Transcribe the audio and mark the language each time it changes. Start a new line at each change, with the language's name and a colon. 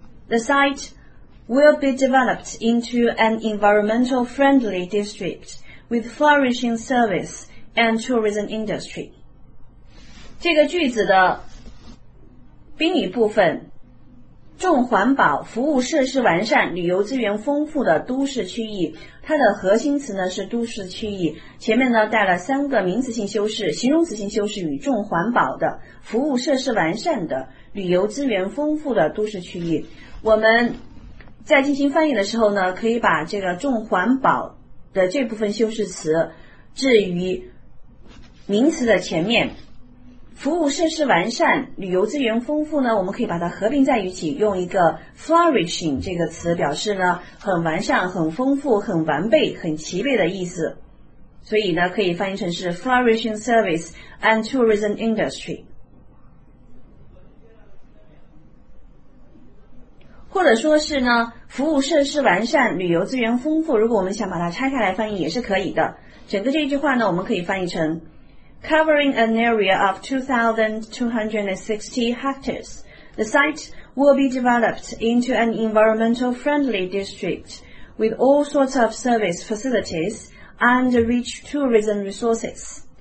English: The site will be developed into an environmental friendly district with flourishing service and tourism industry.
Chinese: 这个句子的宾语部分，重环保，服务设施完善，旅游资源丰富的都市区域，它的核心词呢是都市区域，前面呢带了三个名词性修饰，形容词性修饰语，重环保的，服务设施完善的，旅游资源丰富的都市区域。我们在进行翻译的时候呢，可以把这个重环保的这部分修饰词置于名词的前面，服务设施完善，旅游资源丰富呢，我们可以把它合并在一起，用一个 flourishing 这个词表示呢很完善，很丰富，很完备，很齐备的意思，所以呢可以翻译成是
English: flourishing service and tourism industry。
Chinese: 或者说是呢服务设施完善，旅游资源丰富，如果我们想把它拆开来翻译也是可以的。整个这句话呢我们可以翻译成
English: Covering an area of 2,260 hectares, the site will be developed into an environmental friendly district with all sorts of service facilities and rich tourism resources.